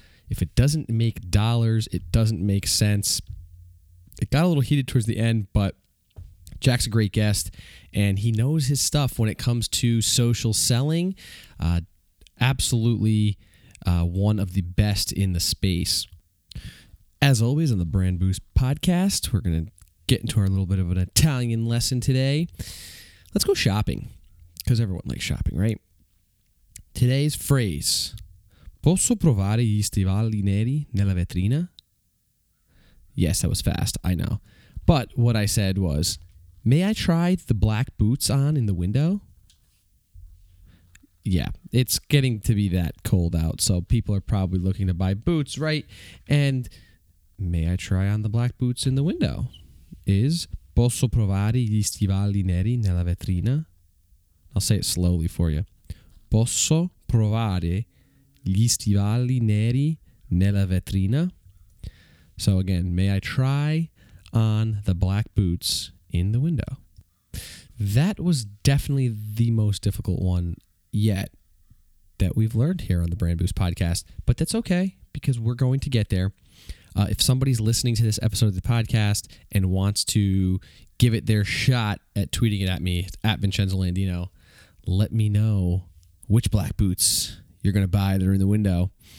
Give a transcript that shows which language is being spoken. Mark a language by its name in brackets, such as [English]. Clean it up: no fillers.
[English] If it doesn't make dollars, it doesn't make sense. It got a little heated towards the end, but Jack's a great guest, and he knows his stuff when it comes to social selling. Absolutely one of the best in the space. As always on the Brand Boost podcast, we're going to get into our little bit of an Italian lesson today. Let's go shopping, because everyone likes shopping, right? Today's phrase, [Italian] posso provare gli stivali neri nella vetrina? [English] Yes, that was fast, I know. But what I said was, may I try the black boots on in the window? Yeah, it's getting to be that cold out, so people are probably looking to buy boots, right? And may I try on the black boots in the window? Is [Italian] posso provare gli stivali neri nella vetrina? [English] I'll say it slowly for you. [Italian] Posso provare gli stivali neri nella vetrina? [English] So again, may I try on the black boots in the window? That was definitely the most difficult one yet that we've learned here on the Brand Boost podcast, but that's okay, because we're going to get there. If somebody's listening to this episode of the podcast and wants to give it their shot at tweeting it at me, at Vincenzo Landino, let me know which black boots you're going to buy that are in the window.